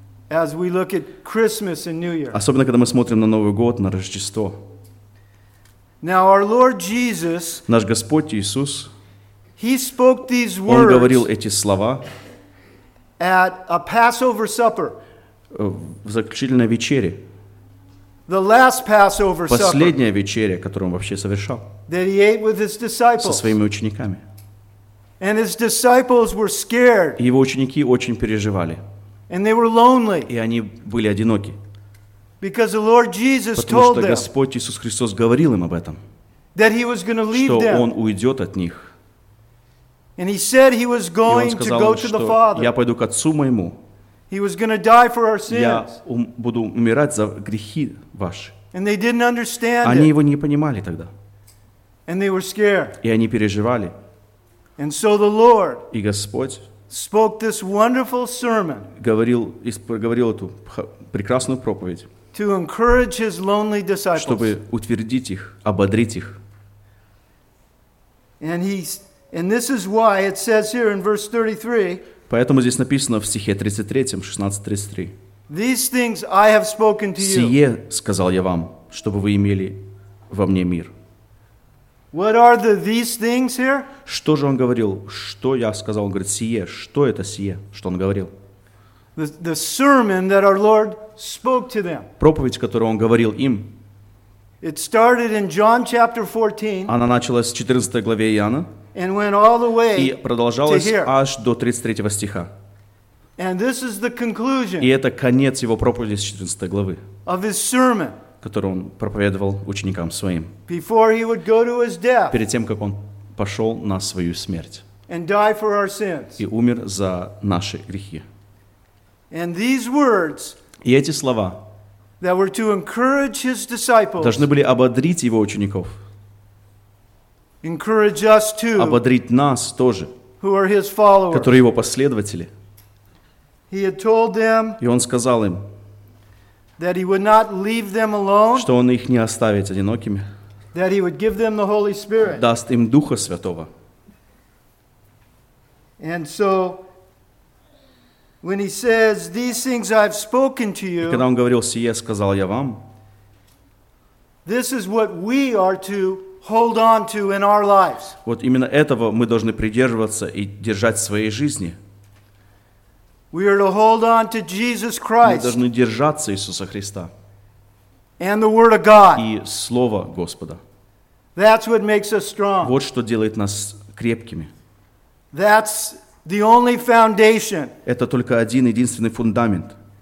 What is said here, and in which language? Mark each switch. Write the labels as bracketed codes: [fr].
[en] As we look at Christmas and New Year. [ru] Особенно когда мы смотрим на Новый год, на Рождество. [en] Now our Lord Jesus. [ru] Наш Господь Иисус. [en] He spoke these words. [ru] Он говорил эти слова. [en] At a Passover supper. [ru] В заключительной вечере. [en] The last Passover supper. [ru] Последняя вечеря, которую он вообще совершал. [en] That he ate with his disciples. [ru] Со своими учениками. [en] And his disciples were scared. [ru] Его ученики очень переживали. [en] And they were lonely. [ru] И они были одиноки. [en] Because the Lord Jesus [ru] Потому [en] told them. [ru] Потому что Господь Иисус Христос говорил им об этом. [en] That he was going to leave them. [ru] Что он уйдет от них. [en] And he said he was going [ru] сказал, [en] to go to the Father. [ru] Я пойду к Отцу моему. [en] He was going to die for our sins. [ru] Я буду умирать за грехи ваши. [en] And they didn't understand [ru] Они его не понимали тогда. [en] And they were scared. [ru] И они переживали. [en] And so the Lord [ru] И Господь [en] spoke this wonderful sermon [ru] говорил эту прекрасную проповедь, [en] to encourage his lonely disciples. [ru] Чтобы утвердить их, ободрить их. [en] And this is why it says here in verse 33. [ru] Поэтому здесь написано в стихе 33, 16:33. [en] These things I have spoken to you. [ru] Сие сказал я вам, чтобы вы имели во мне мир. [en] What are the these things here? [ru] Что же он говорил? Что я сказал? Он говорит, сие. Что это сие? Что он говорил? [en] The sermon that our Lord spoke to them. [ru] Проповедь, которую он говорил им. [en] It started in John chapter 14. [ru] Она началась в 14 главе Иоанна. [en] And went all the way [ru] и продолжалось аж до 33 стиха. [en] And this is the conclusion [ru] и это конец его проповеди с 14 главы, [en] of his sermon, [ru] который он проповедовал ученикам своим [en] before he would go to his death, [ru] перед тем, как он пошел на свою смерть [en] and die for our sins. [ru] И умер за наши грехи. [en] And these words, [ru] и эти слова [en] that were to encourage his disciples, [ru] должны были ободрить его учеников. [en] Encourage us too, [ru] ободрить нас тоже, [en] who are his followers. [ru] Которые его последователи. [en] He had told them, [ru] и он сказал им, [en] that he would not leave them alone, [ru] что он их не оставит одинокими, [en] that he would give them the Holy Spirit. [ru] Даст им Духа Святого. [en] And so, when he says, "These things I've spoken to you," [ru] и когда он говорил сие, сказал я вам, [en] this is what we are to hold on to in our lives. [ru] Вот именно этого мы должны придерживаться и держать в своей жизни. [en] We are to hold on to Jesus Christ. [ru] Мы должны держаться Иисуса Христа. [en] And the Word of God. [ru] И Слово Господа. [en] That's what makes us strong. [ru] Вот что делает нас крепкими. [en] That's the only foundation. [ru] Это только один единственный фундамент.